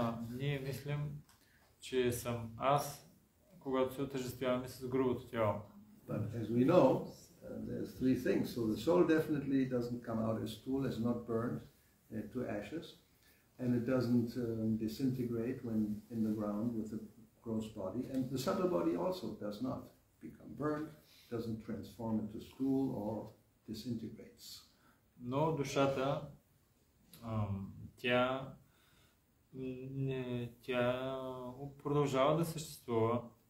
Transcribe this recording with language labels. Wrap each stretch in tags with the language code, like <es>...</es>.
<bg>Ние мислим, че съм аз, когато се отъждествяваме с грубото тяло.</bg> <en>But as we know, there's three things. So the soul definitely doesn't come out as stool, it's not burned to ashes, and it doesn't disintegrate when in the ground with the gross body, and the subtle body also does not become burned, doesn't transform into stool or disintegrates.</en> <bg>Но душата, тя не, тя продължава да съществува.</bg>